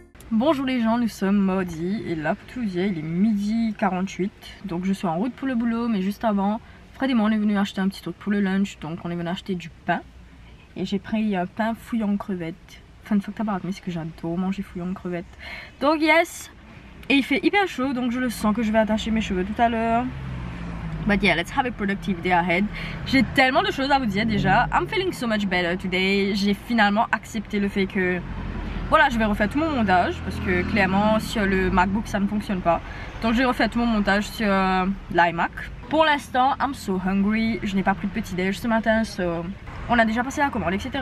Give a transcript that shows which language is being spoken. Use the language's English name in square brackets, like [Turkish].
[French] Bonjour les gens, nous sommes Maudy et là pour tout vous dire, il est midi 48, donc je suis en route pour le boulot, mais juste avant, Fred et moi on est venu acheter un petit truc pour le lunch, donc on est venu acheter du pain et j'ai pris un pain fouillon crevettes. [English] Fun fact about me, [French] c'est que j'adore manger fouillon crevettes. Donc yes, et il fait hyper chaud, donc je le sens que je vais attacher mes cheveux tout à l'heure. [English] But yeah, let's have a productive day ahead. [French] J'ai tellement de choses à vous dire déjà. [English] I'm feeling so much better today. [French] J'ai finalement accepté le fait que voilà, je vais refaire tout mon montage parce que clairement sur le MacBook ça ne fonctionne pas. Donc j'ai refait tout mon montage sur l'iMac. Pour l'instant, [English] I'm so hungry. [French] Je n'ai pas pris de petit déj ce matin. So on a déjà passé la commande, etc.